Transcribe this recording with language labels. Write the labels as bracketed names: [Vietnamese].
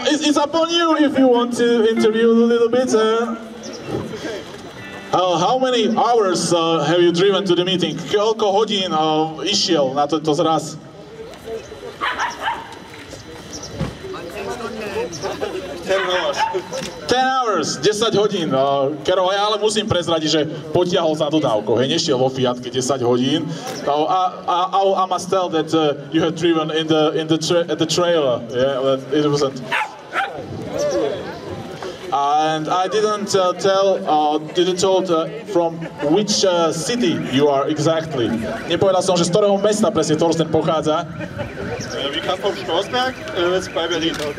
[English] It's upon you if you want to interview a little bit. How many hours have you driven to the meeting? [Slovak] Koľko hodín išiel na tento zraz? [English] Ten hours, [Slovak] 10 hodín. Kerol, ja ale musím prezradiť, že potiahol za dodávkou. Hej, nešiel vo Fiatke 10 hodín. [English] I must tell that you had driven in the trailer. Yeah, it wasn't. And I didn't from which city you are exactly. [Slovak] Nepovedal som, že z ktorého mesta presne Thorsten pochádza. [English] We come from Strasbourg, it's by Berlin.